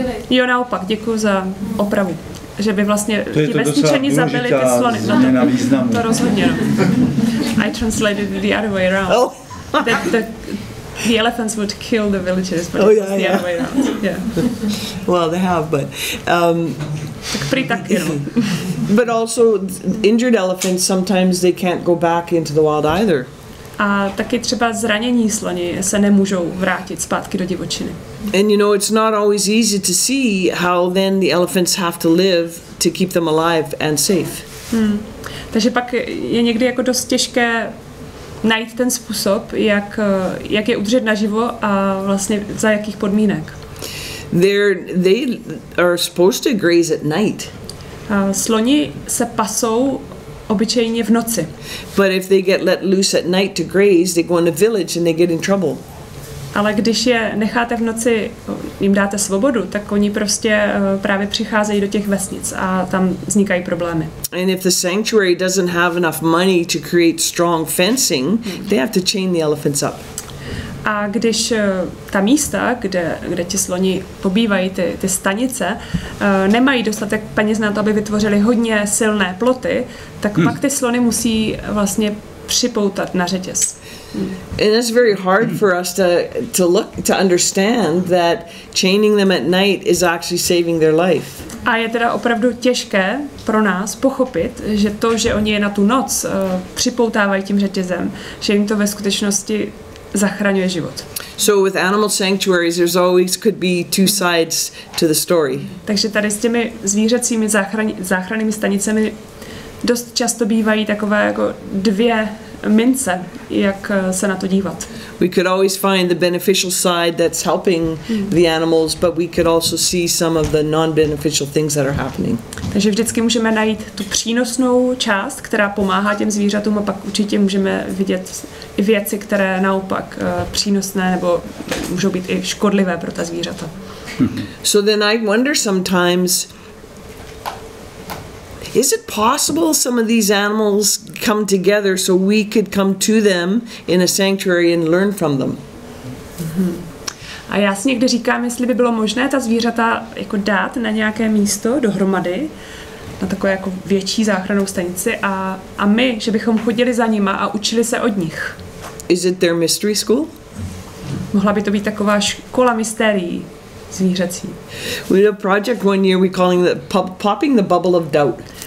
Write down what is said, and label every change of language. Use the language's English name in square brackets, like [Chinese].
[Czech] Jo, naopak, děkuju za opravu. Že by vlastně ti vesničani zabili ty slony. No, to rozhodně. [English] I translated the other way around. The elephants would kill the villagers, but Oh, yeah, it's the other way around. Well, they have, but... [Czech] Tak prý tak, jenom. [English] But also, injured elephants, sometimes they can't go back into the wild either. [Czech] A taky třeba zranění sloni se nemůžou vrátit zpátky do divočiny. [English] And you know, it's not always easy to see how then the elephants have to live to keep them alive and safe. [Czech] Takže pak je někdy jako dost těžké najít ten způsob, jak je udržet naživo a vlastně za jakých podmínek. [English] They are supposed to graze at night. [Czech] Sloni se pasou obyčejně v noci. [English] But if they get let loose at night to graze, they go in a village and they get in trouble. [Czech] Ale když je necháte v noci, jim dáte svobodu, tak oni prostě právě přicházejí do těch vesnic a tam vznikají problémy. [English] And if the sanctuary doesn't have enough money to create strong fencing, they have to chain the elephants up. [Czech] A když ta místa, kde ti sloni pobývají, ty stanice, nemají dostatek peněz na to, aby vytvořili hodně silné ploty, tak pak ty slony musí vlastně připoutat na řetěz. [English] And it's very hard for us to understand that chaining them at night is actually saving their life. [Czech] A je teda opravdu těžké pro nás pochopit, že to, že oni je na tu noc připoutávají tím řetězem, že jim to ve skutečnosti zachraňuje život. [English] So with animal sanctuaries there's always could be two sides to the story. [Czech] Takže tady s těmi zvířecími záchrannými stanicemi dost často bývají takové jako dvě mince, jak se na to dívat. [English] We could always find the beneficial side that's helping the animals, but we could also see some of the non-beneficial things that are happening. [Czech] Takže vždycky můžeme najít tu přínosnou část, která pomáhá těm zvířatům, a pak určitě můžeme vidět i věci, které naopak přínosné nebo můžou být i škodlivé pro ta zvířata. [English] So then I wonder sometimes, is it possible some of these animals come together so we could come to them in a sanctuary and learn from them? Mm-hmm. [Czech] A já si někdy říkám, jestli by bylo možné ta zvířata jako dát na nějaké místo dohromady, na takové jako větší záchrannou stanici, a my, že bychom chodili za nima a učili se od nich. [English] Is it their mystery school? [Czech] Mohla by to být taková škola mystérií zvířecí. [English] We had a project one year we calling the popping the bubble of doubt.